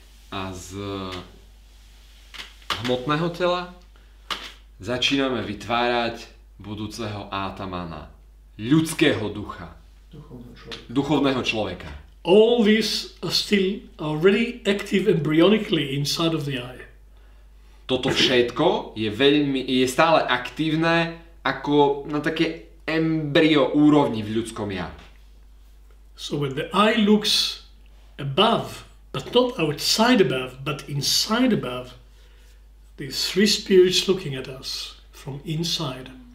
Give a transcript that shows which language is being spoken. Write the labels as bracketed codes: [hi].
[sk] A z hmotného tela začíname vytvárať budúceho Atamana. Ľudského ducha. Duchovného človeka. [en] All these are still already active embryonically inside of the eye. [sk] Toto všetko je stále aktívne ako na také embryo úrovni v ľudskom ja. [en] So when the eye looks above, but not outside above, but inside above, these three spirits looking at us from inside.